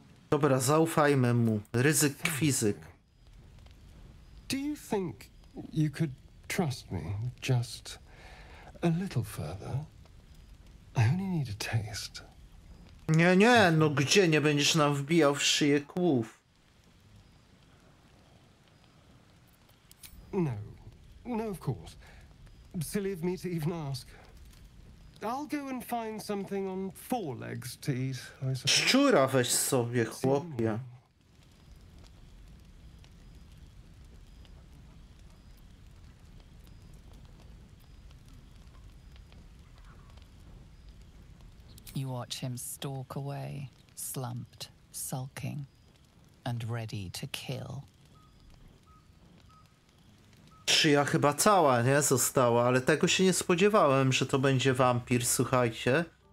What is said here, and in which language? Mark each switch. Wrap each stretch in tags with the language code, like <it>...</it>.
<pl>Dobra, zaufajmy mu. Ryzyk fizyk.</pl> <en>Do you think you could trust me just a little further? I only need a taste.</en> <pl>Nie, nie, no gdzie nie będziesz nam wbijał w szyję kłów?</pl> <en>No, no, of course. Silly of me to even ask. I'll go and find something on four legs to eat.</en> <pl>Szczura weź sobie, chłopie.</pl> <en>You watch him stalk away, slumped, sulking, and ready to kill.</en> <pl>Szyja chyba cała, nie? Została, ale tego się nie spodziewałem, że to będzie wampir, słuchajcie.</pl>